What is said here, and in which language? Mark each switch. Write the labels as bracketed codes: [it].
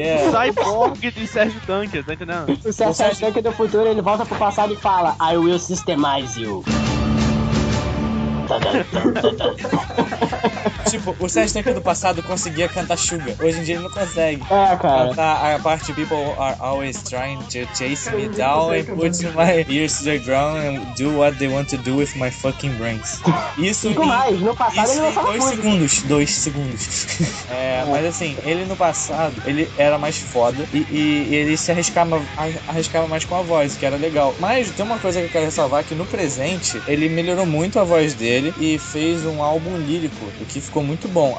[pt] Cyborg de Sérgio Tanker, tá entendendo? O Sérgio Tanker do futuro, ele volta pro passado e fala: [en] I will systemize you. [pt] Tipo, o Sérgio Tanker do passado conseguia cantar Sugar. Hoje em dia ele não consegue. É, cara. Cantar a parte [en] People are always trying to chase me down and put my ears to the ground and do what they want to do with my fucking brains. [pt] Isso. Fico mais, no passado ele não falava. Dois segundos. É, mas assim, ele no passado, ele era mais foda e ele se arriscava mais com a voz, que era legal. Mas tem uma coisa que eu quero ressalvar: que no presente, ele melhorou muito a voz dele e fez um álbum lírico, o que ficou muito bom.